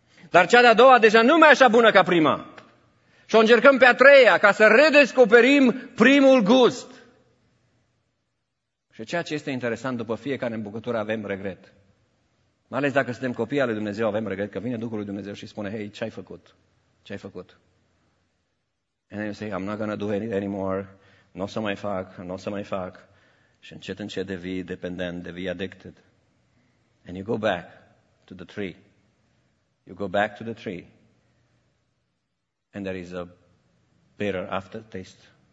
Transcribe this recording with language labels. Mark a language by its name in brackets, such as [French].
[Romanian] Dar cea de-a doua deja nu mai e așa bună ca prima. Și o încercăm pe a treia ca să redescoperim primul gust. Și ceea ce este interesant, după fiecare îmbucătură avem regret. Mai ales dacă suntem copii ale lui Dumnezeu, avem regret că vine Duhul lui Dumnezeu și spune: hei, ce ai făcut? Ce ai făcut? [English] And then you say, I'm not gonna do it anymore. [Romanian] N-o să mai fac, n-o să mai fac. Și încet, încet devii dependent, devii addicted. [English] And you go back to the tree. You go back to the tree. And there is a bitter aftertaste.